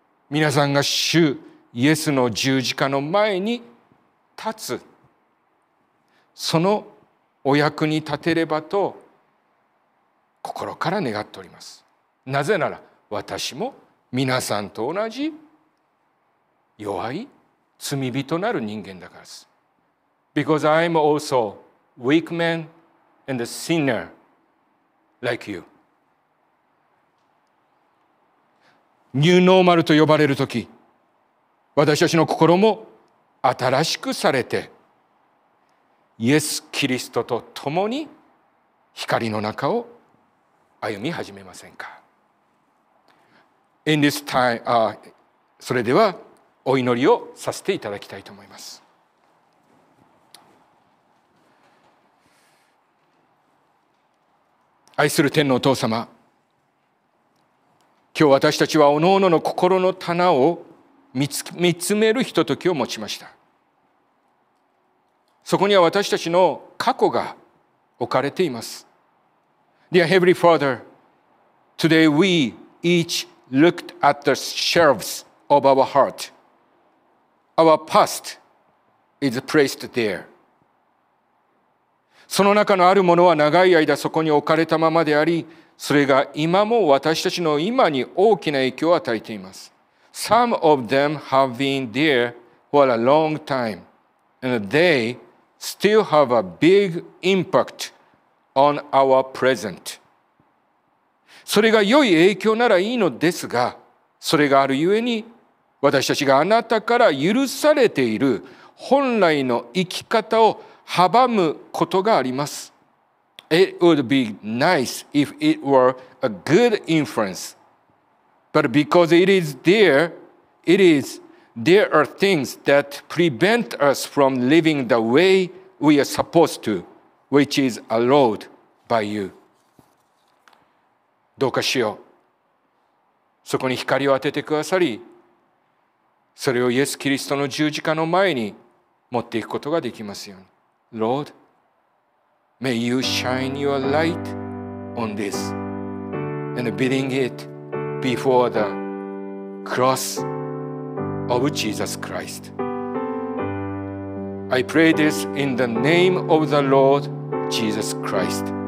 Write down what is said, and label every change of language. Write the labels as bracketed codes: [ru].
[ja] 皆さんが主イエスの十字架の前に立つ、そのお役に立てればと心から願っております。なぜなら私も皆さんと同じ弱い罪人なる人間だからです。 [en] Because I'm also weak man and a sinner like you. [ja] ニューノーマルと呼ばれるとき、私たちの心も新しくされて、イエス・キリストと共に光の中を歩み始めませんか。 [en] In this time, [ja] それではお祈りをさせていただきたいと思います。愛する天のお父様、今日私たちは各々の心の棚を見つめるひとときを持ちました。そこには私たちの過去が置かれています。 [en] Dear Heavenly Father, today we each looked at the shelves of our heart. Our past is placed there. [ja] その中のあるものは長い間そこに置かれたままであり、それが今も私たちの今に大きな影響を与えています。 [en] Some of them have been there for a long time, and they still have a big impact on our present. [ja] それが良い影響ならいいのですが、それがあるゆえに私たちがあなたから許されている本来の生き方を阻むことがあります。 [en] It would be nice if it were a good inference, but because it is there, it is there are things that prevent us from living the way we are supposed to, which is allowed by you. [ja] どうかしよう。そこに光を当ててくださり、それをイエス・キリストの十字架の前に持っていくことができますように。 [en] Lord, may you shine your light on this and bring it before the cross of Jesus Christ. I pray this in the name of the Lord Jesus Christ.